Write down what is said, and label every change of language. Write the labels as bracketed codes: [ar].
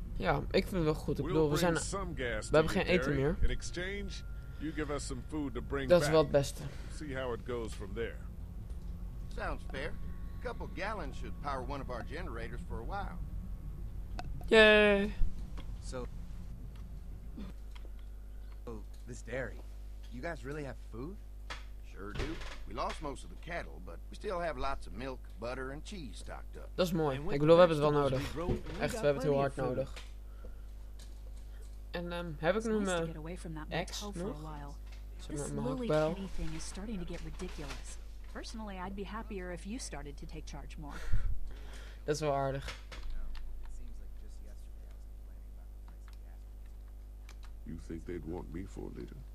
[nl] Ja, ik vind het wel goed. Ik bedoel, we zijn... We hebben geen eten meer. [en] In exchange, you give us some food to bring [nl] Dat is wel het beste. [en] See how it goes from there. Sounds fair. A couple gallons should power one of our generators for a while. Yay! So... Oh, this dairy. You guys really have food? Sure do. We lost most of the cattle, but we still have lots of milk, butter and cheese stocked up. [nl] Dat is mooi. Ik bedoel, we hebben het wel nodig. Echt, we hebben het heel hard nodig. En heb ik nu mijn ex nog? Zeg maar, mijn hakbijl. [en] This Lily thing is starting to get ridiculous. Personally, I'd be happier if you started to take charge more. [nl] Dat is wel aardig. [en] You think they'd want me for a leader?